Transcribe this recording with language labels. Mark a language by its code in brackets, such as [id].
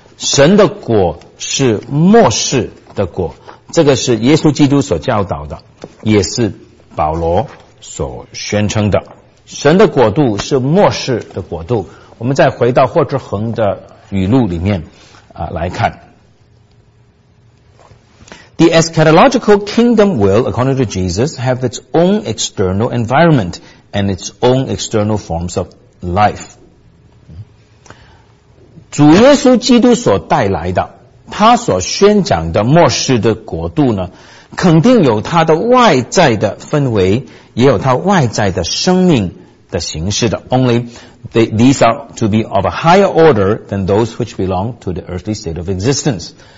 [zh] 神的国是末世的国，这个是耶稣基督所教导的，也是保罗所宣称的。神的国度是末世的国度。我们再回到霍志恒的语录里面来看。 [en] The eschatological kingdom will, according to Jesus, have its own external environment and its own external forms of life. [zh] 主耶稣基督所带来的他所宣讲的末世的国度呢，肯定有他的外在的氛围，也有他外在的生命的形式的。 [en] Only these are to be of a higher order than those which belong to the earthly state of existence.